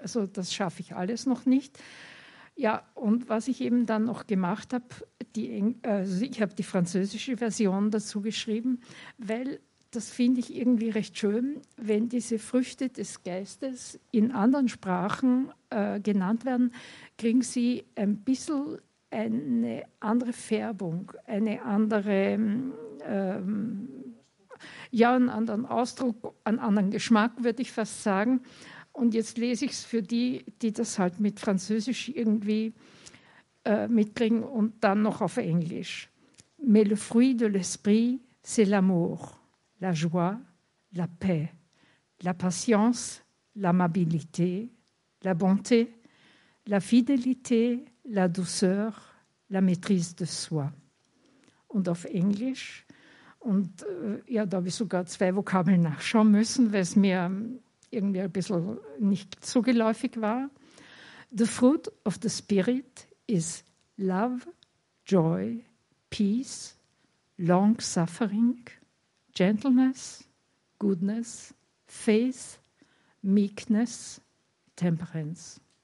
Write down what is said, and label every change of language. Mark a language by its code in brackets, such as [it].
[de] Also das schaffe ich alles noch nicht. Ja, und was ich eben dann noch gemacht habe, ich habe die französische Version dazu geschrieben, weil das finde ich irgendwie recht schön, wenn diese Früchte des Geistes in anderen Sprachen genannt werden, kriegen sie ein bisschen eine andere Färbung, eine andere, einen anderen Ausdruck, einen anderen Geschmack, würde ich fast sagen. Und jetzt lese ich es für die, die das halt mit Französisch irgendwie mitkriegen und dann noch auf Englisch. [fr] Mais le fruit de l'esprit, c'est l'amour. La joie, la paix, la patience, l'amabilité, la bonté, la fidélité, la douceur, la maîtrise de soi. [de] Und auf Englisch, und da habe ich sogar zwei Vokabeln nachschauen müssen, weil es mir irgendwie ein bisschen nicht so geläufig war. [en] The fruit of the spirit is love, joy, peace, long suffering, gentleness, goodness, faith, meekness, temperance.